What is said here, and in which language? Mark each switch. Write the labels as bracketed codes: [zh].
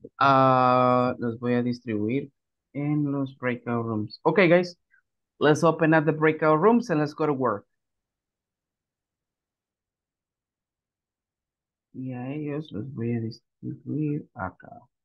[es] Los voy a distribuir en los breakout rooms. [en] Okay, guys. Let's open up the breakout rooms and let's go to work. [es] Y a ellos los voy a distribuir acá.